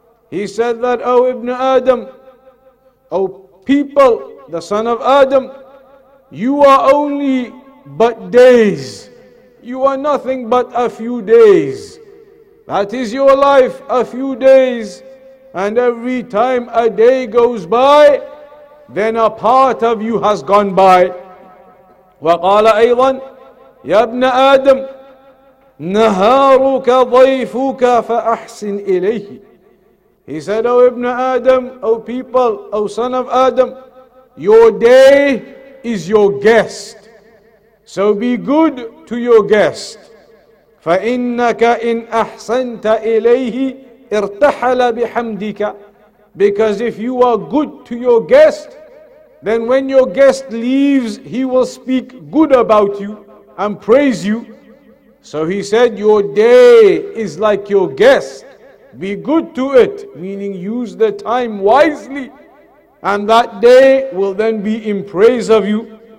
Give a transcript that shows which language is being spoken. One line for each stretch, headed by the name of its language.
English: He said that, O Ibn Adam, O people, the son of Adam, you are only but days. You are nothing but a few days. That is your life, a few days. And every time a day goes by, then a part of you has gone by.
Arabic: وقال أيضا يا ابن آدم نهارك ضيفك فأحسن إليه.
English: He said, O Ibn Adam, O people, O son of Adam, your day is your guest. So be good to your guest.
Arabic: فإنك إن أحسنت إليه ارتحل بحمدك.
English: Because if you are good to your guest, then when your guest leaves, he will speak good about you and praise you. So he said, your day is like your guest. Be good to it, meaning use the time wisely, and that day will then be in praise of you.